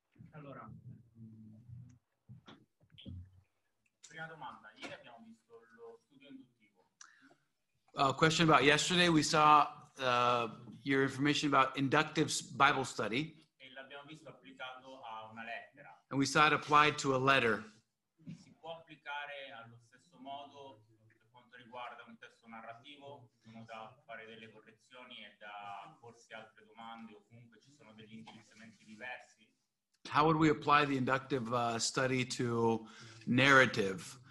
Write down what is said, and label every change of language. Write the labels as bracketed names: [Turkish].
[Italian] Allora, prima domanda, ieri abbiamo visto lo studio induttivo. [English] A question about yesterday, we saw your information about inductive Bible study. [Italian] E l'abbiamo visto applicato a una lettera. [English] And we saw it applied to a letter. [Italian] Si può applicare allo stesso modo per quanto riguarda un testo narrativo? Da fare delle correzioni e da porsi altre domande o comunque ci sono degli indirizzamenti diversi. [English] How would we apply the inductive study to narrative?